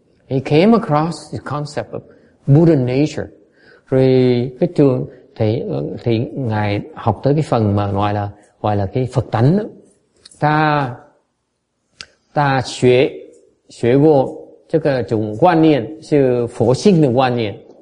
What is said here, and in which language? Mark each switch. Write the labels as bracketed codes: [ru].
[en] He came across the concept of Buddha nature. [vi] Rồi cái trường thì ngài học tới cái phần mà gọi là cái Phật tánh đó. [zh] Ta 学过这个种观念是佛性的观念。